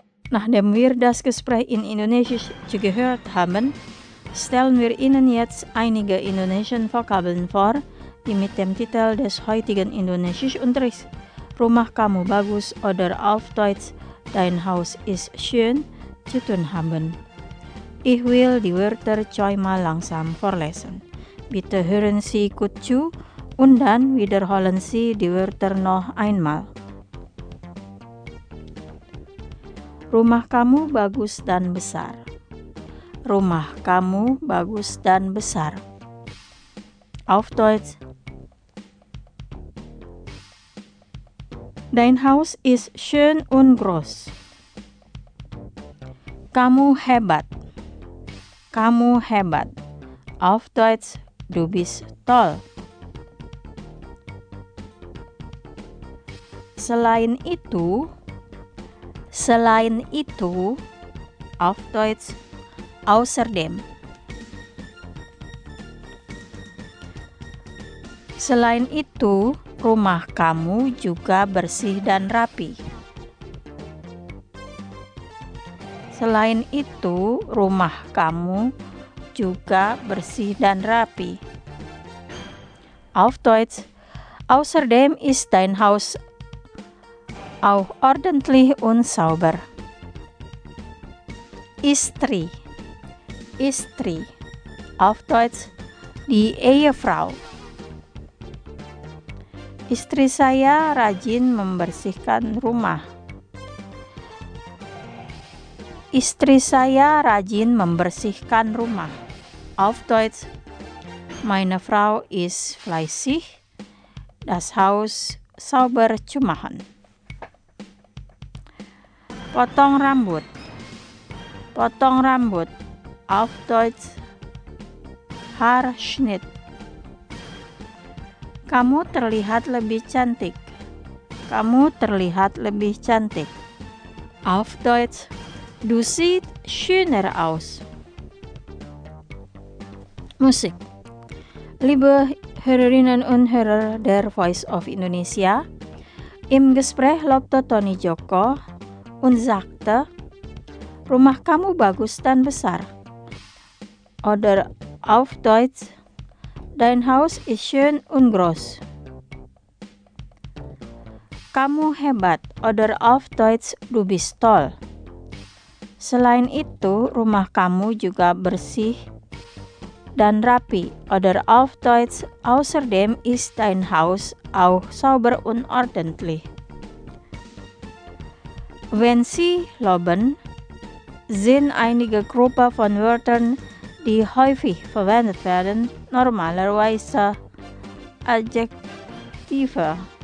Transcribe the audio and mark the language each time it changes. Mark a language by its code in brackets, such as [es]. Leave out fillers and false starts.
[de] Nachdem wir das Gespräch in Indonesisch gehört haben, stellen wir Ihnen jetzt einige indonesische Vokabeln vor, die mit dem Titel des heutigen indonesischen Unterrichts [id] Rumah kamu bagus, [de] oder auf Deutsch Dein Haus ist schön zu tun haben. Ich will die Wörter zweimal langsam vorlesen. Bitte hören Sie gut zu und dann wiederholen Sie die Wörter noch einmal. [id] Rumah kamu bagus dan besar. Rumah kamu bagus dan besar. [de] Auf Deutsch. Dein Haus ist schön und groß. [id] Kamu hebat. Kamu hebat. [de] Auf Deutsch. Du bist toll. [id] Selain itu, selain itu, [de] auf Deutsch, außerdem. [id] Selain itu, rumah kamu juga bersih dan rapi. Selain itu, rumah kamu juga bersih dan rapi. [de] Auf Deutsch, außerdem ist dein Haus auch ordentlich und sauber. [id] Istri. Istri. [de] Auf Deutsch, die Ehefrau. [id] Istri saya rajin membersihkan rumah. Istri saya rajin membersihkan rumah. [de] Auf Deutsch: Meine Frau ist fleißig. Das Haus sauber zu machen. [id] Potong rambut. Potong rambut. [de] Auf Deutsch: Haarschnitt. [id] Kamu terlihat lebih cantik. Kamu terlihat lebih cantik. [de] Auf Deutsch: Du siehst schöner aus. Musik. Liebe Hörerinnen und Hörer der Voice of Indonesia, im Gespräch lobte Tony Joko und sagte: [id] Rumah kamu bagus dan besar. [de] Oder auf Deutsch: Dein Haus ist schön und groß. [id] Kamu hebat. [de] Oder auf Deutsch: Du bist toll. [id] Selain itu, rumah kamu juga bersih dan rapi. [de] Oder auf Deutsch: Außerdem ist dein Haus auch sauber und ordentlich. Wenn Sie loben, sind einige Gruppen von Wörtern, die häufig verwendet werden, normalerweise Adjektive.